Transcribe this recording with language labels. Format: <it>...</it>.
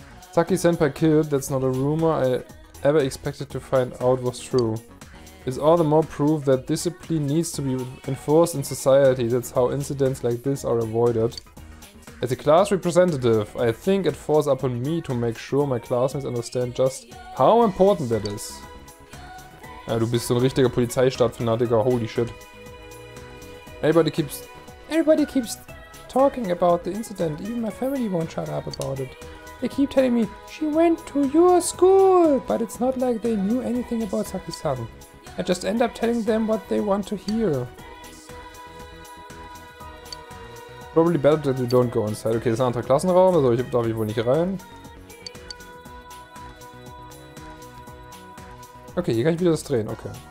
<en>Saki Senpai killed, that's not a rumor I ever expected to find out was true. It's all the more proof that discipline needs to be enforced in society. That's how incidents like this are avoided. As a class representative, I think it falls upon me to make sure my classmates understand just how important that is.</en> <de>Ja, du bist so ein richtiger Polizeistaat-Fanatiker,</de> <en>holy shit. Everybody keeps talking about the incident, even my family won't shut up about it. They keep telling me, she went to your school, but it's not like they knew anything about Saki-san. I just end up telling them what they want to hear. Probably better that you don't go inside.</en> <de>Okay, das ist ein anderer Klassenraum, also darf ich wohl nicht rein. Okay, hier kann ich wieder das drehen, okay.</de>